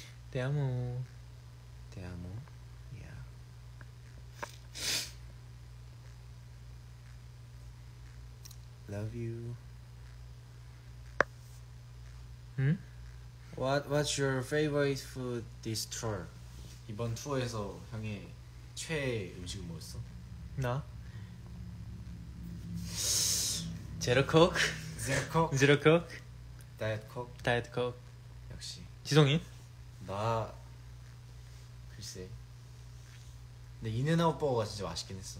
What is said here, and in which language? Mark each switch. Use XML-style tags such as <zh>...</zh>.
<ko>대아모 대아모 야</ko> <en>Love you.</en> <ko>응?</ko> <en>What's your favorite food this tour?</en> <ko>이번 투어에서 형의 최애 음식은 뭐였어? 나? 제로콕? 제로콕? 제로콕? 다이어트콕? 다이어트콕 역시 지성이? 나 글쎄 근데 인앤아웃 버거가 진짜 맛있긴 했어.</ko>